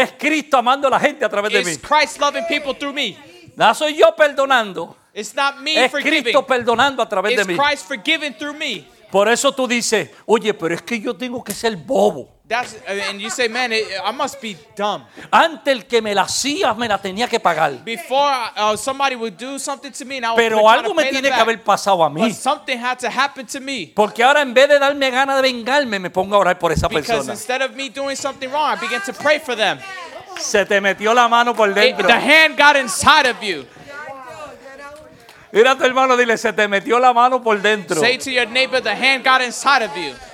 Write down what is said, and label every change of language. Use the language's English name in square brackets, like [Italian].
[Spanish] Es Cristo amando a la gente a través de mí. [English] It's Christ loving people through me. [Spanish] No soy yo perdonando. [English] It's not me [Spanish] es [English] forgiving. [Spanish] Es Cristo perdonando a través [English] it's [Spanish] de mí. [English] It's Christ forgiving through me. [Spanish] Por eso tú dices, oye, pero es que yo tengo que ser bobo. [English] That's, and you say, man, I must be dumb. [Spanish] Antes el que me la hacía, me la tenía que pagar. [English] Before somebody would do something to me, and I would [Spanish] pero algo me tiene que haber pasado a mí. [English] But something had to happen to me. [Spanish] Porque ahora en vez de darme ganas de vengarme, me pongo a orar por esa [English] because [Spanish] persona. [English] Because instead of me doing something wrong, I began to pray for them. [Spanish] Se te metió la mano por dentro. [English] The hand got inside of you. [Spanish] Mira a tu hermano, dile, se te metió la mano por dentro. [English] Say to your neighbor, the hand got inside of you.